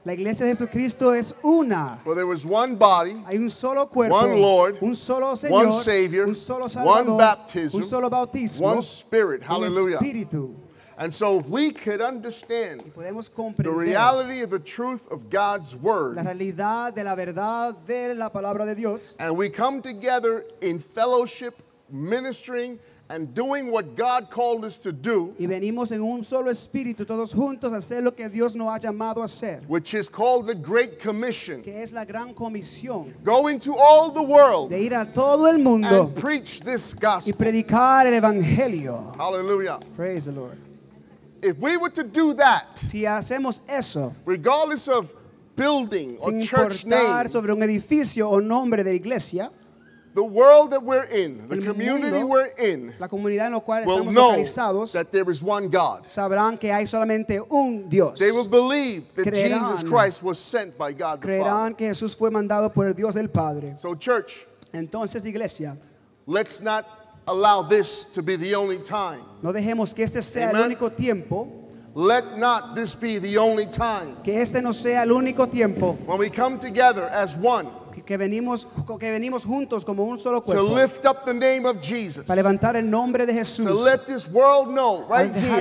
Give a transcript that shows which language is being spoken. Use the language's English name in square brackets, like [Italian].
[Spanish] La iglesia de Jesucristo es una. [English] For there was one body. [Spanish] Hay un solo cuerpo. [English] One Lord. [Spanish] Un solo Señor. [English] One Savior. [Spanish] Un solo Salvador. [English] One baptism. [Spanish] Un solo bautismo. [English] One Spirit. Hallelujah. [Spanish] Un espíritu. [English] And so if we could understand the reality of the truth of God's word, [Spanish] la realidad de la verdad de la palabra de Dios, [English] and we come together in fellowship, ministering, and doing what God called us to do, [Spanish] y venimos en un solo espíritu todos juntos a hacer lo que Dios nos ha llamado a hacer, [English] which is called the Great Commission, [Spanish] que es la gran comisión, [English] going to all the world, [Spanish] de ir a todo el mundo, [English] and preach this gospel, [Spanish] y predicar el evangelio. [English] Hallelujah. Praise the Lord. If we were to do that, [Spanish] si hacemos eso, [English] regardless of building or church name, [Spanish] sobre un edificio o nombre de iglesia, [English] the world that we're in, the community [Spanish] mundo, [English] we're in, [Spanish] la comunidad en la cual [English] will [Spanish] estamos localizados, [English] know that there is one God. [Spanish] Sabrán que hay solamente un Dios. [English] They will believe that [Spanish] creerán, [English] Jesus Christ was sent by God [Spanish] creerán [English] the Father. [Spanish] Que Jesús fue mandado por el Dios el Padre. [English] So church, [Spanish] entonces, iglesia, [English] let's not allow this to be the only time. [Spanish] No dejemos que este sea el único tiempo. [English] Let not this be the only time. [Spanish] Que este no sea el único tiempo. [English] When we come together as one. [Spanish] Que venimos juntos como un solo cuerpo. [English] To lift up the name of Jesus. [Spanish] Para levantar el nombre de Jesús. [English] To let this world know right here.